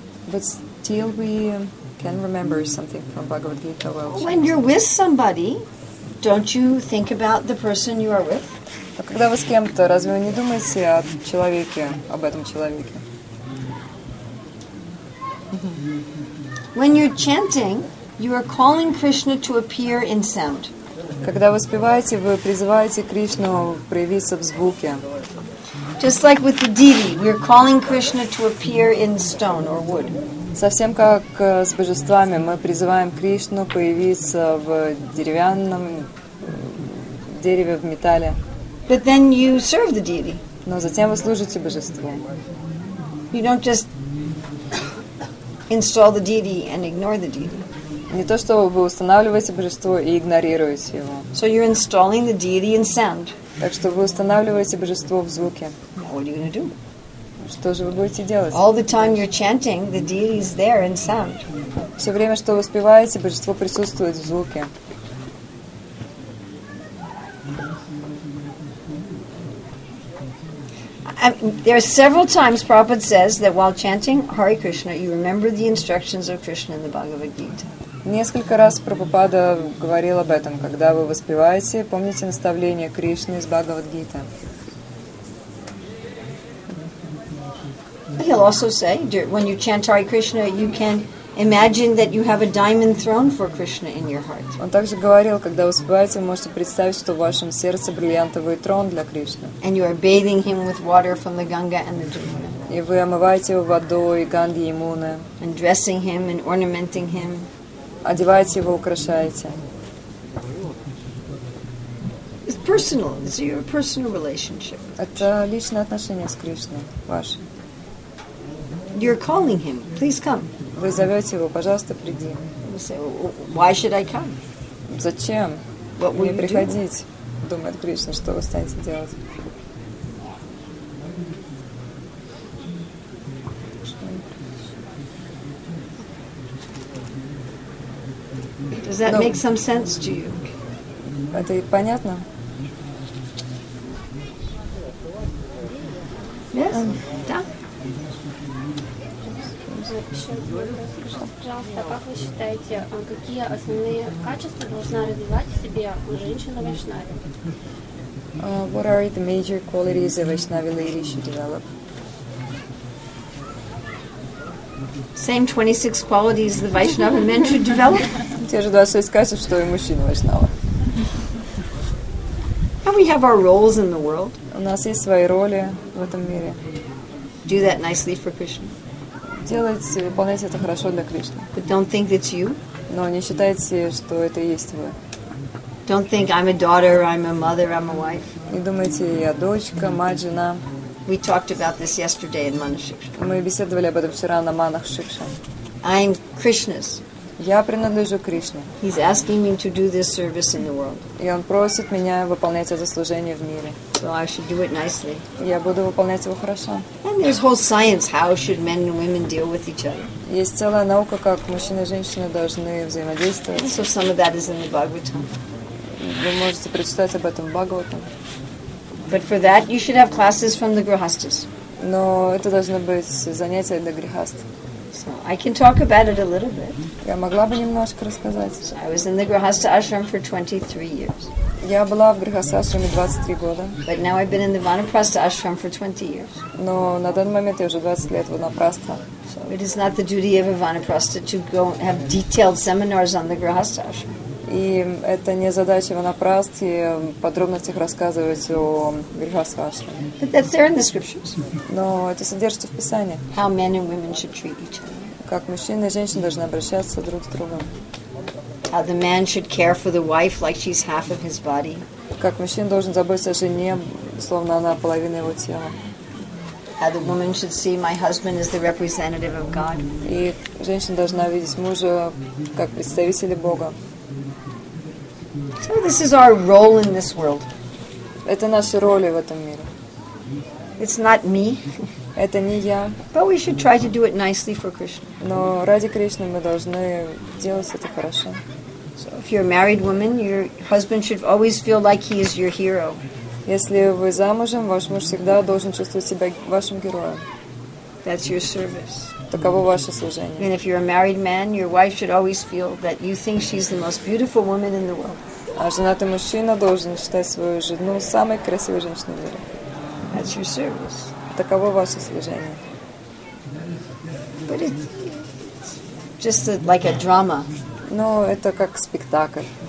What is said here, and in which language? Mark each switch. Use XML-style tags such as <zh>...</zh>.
<en>But still we can remember something from Bhagavad Gita. When you're with somebody, don't you think about the person you are with?</en> <ru>Когда вы с кем-то, разве вы не думаете о человеке, об этом человеке?</ru> <en>When you're chanting, you are calling Krishna to appear in sound.</en> <ru>Когда вы спеваете, вы призываете Кришну проявиться в звуке.</ru> <en>Just like with the deity, we're calling Krishna to appear in stone or wood.</en> <ru>Совсем как с божествами, мы призываем Кришну появиться в деревянном дереве, в металле.</ru> <en>But then you serve the deity.</en> <ru>Но затем вы служите божеству.</ru> <en>You don't just install the deity and ignore the deity.</en> <ru>Не то, что вы устанавливаете божество и игнорируете его.</ru> <en>So you're installing the deity in sound.</en> <ru>Так что вы устанавливаете божество в звуке.</ru> <en>Now what are you going to do?</en> <ru>Что же вы будете делать?</ru> <en>All the time you're chanting, the deity is there in sound.</en> <ru>Все время, что вы спеваете, божество присутствует в звуке.</ru> <en>There are several times Prabhupada says that while chanting Hare Krishna, you remember the instructions of Krishna in the Bhagavad Gita.</en> <ru>Несколько раз Прабхупада говорил об этом, когда вы воспеваете, помните наставления Кришны из Бхагавад-гиты.</ru> <en>He'll also say, when you chant Hare Krishna, you can imagine that you have a diamond throne for Krishna in your heart.</en> <ru>Он также говорил, когда вы воспеваете, вы можете представить, что в вашем сердце бриллиантовый трон для Кришны.</ru> <en>And you are bathing him with water from the Ganga and the Jamuna.</en> <ru>И вы омываете его водой Ганги и Ямуны.</ru> <en>And dressing him and ornamenting him.</en> <ru>Одеваете его, украшаете.</ru> <en>It's personal. It's your personal relationship.</en> <ru>Это личное отношение с Кришной, ваше.</ru> <en>You're calling him. Please come.</en> <ru>Вы зовете его, пожалуйста, приди.</ru> <en>You say, why should I come?</en> <ru>Зачем?</ru> <en>What will you</en> <ru>приходить?</ru> <en>Do?</en> <ru>Думает Кришна, что вы станете делать?</ru> <en>Does that make some sense to you?</en> <ru>Это понятно?</ru> <en>Yes.</en> <ru>Да. Пожалуйста, как вы считаете, какие основные качества должна развивать в себе женщина-вайшнави?</ru> <en>What are the major qualities a Vaishnavi lady should develop? Same 26 qualities the Vaishnava men should develop?</en> <ru>Те же 26 качеств, что и мужчина-вайшнава.</ru> <en>And we have our roles in the world.</en> <ru>У нас есть свои роли в этом мире.</ru> <en>Do that nicely for Krishna.</en> <ru>Делать, выполнять это хорошо для Кришны.</ru> <en>But don't think that's you.</en> <ru>Но не считайте, что это есть вы.</ru> <en>Don't think I'm a daughter, I'm a mother, I'm a wife.</en> <ru>Не думайте, я дочка, мать, жена.</ru> <en>We talked about this yesterday in Manashiksha.</en> <ru>Мы беседовали об этом вчера на Манахшикша.</ru> <en>I'm Krishna's.</en> <ru>Я принадлежу Кришне.</ru> <en>He's asking me to do this service in the world.</en> <ru>И он просит меня выполнять это служение в мире.</ru> <en>So I should do it nicely.</en> <ru>Я буду выполнять его хорошо.</ru> <en>And there's whole science how should men and women deal with each other.</en> <ru>Есть целая наука, как мужчина и женщина должны взаимодействовать.</ru> <en>So some of that is in the Bhagavatam.</en> <ru>Вы можете прочитать об этом в Бхагаватам.</ru> <en>But for that you should have classes from the Grihasthas.</en> <ru>Но это должны быть занятия для Грихаст.</ru> <en>So I can talk about it a little bit.</en> <ru>Я могла бы немножко рассказать.</ru> <en>So I was in the Grihastha ashram for 23 years.</en> <ru>Я была в Грихастха ашраме 23 года.</ru> <en>But now I've been in the Vanaprastha ashram for 20 years.</en> <ru>Но на данный момент я уже 20 лет в Vanaprastha.</ru> <en>So it is not the duty of a Vanaprastha to go have detailed seminars on the Grihastha ashram.</en> <ru>И это не задача Vanaprasthi подробностях рассказывать о Грихастха ашраме.</ru> <en>But that's there in the scriptures.</en> <ru>Но это содержится в Писании.</ru> <en>How men and women should treat each other.</en> <ru>Как мужчина и женщина должны обращаться друг с другом.</ru> <en>How the man should care for the wife like she's half of his body.</en> <ru>Как мужчина должен заботиться о жене, словно она половина его тела.</ru> <en>How the woman should see my husband as the representative of God.</en> <ru>И женщина должна видеть мужа как представителя Бога.</ru> <en>So this is our role in this world.</en> <ru>Это наши роли в этом мире.</ru> <en>It's not me.</en> <ru>Это не я.</ru> <en>But we should try to do it nicely for Krishna.</en> <ru>Но ради Кришны мы должны делать это хорошо.</ru> <en>So if you're a married woman, your husband should always feel like he is your hero.</en> <ru>Если вы замужем, ваш муж всегда должен чувствовать себя вашим героем.</ru> <en>That's your service.</en> <ru>Таково ваше служение.</ru> <en>And if you're a married man, your wife should always feel that you think she's the most beautiful woman in the world.</en> <ru>А женатый мужчина должен считать свою жену самой красивой женщиной в мире.</ru> <en>That's your service.</en> <ru>Таково ваше служение.</ru> <en>But it's just a, like a drama.</en> <ru>Но это как спектакль.</ru>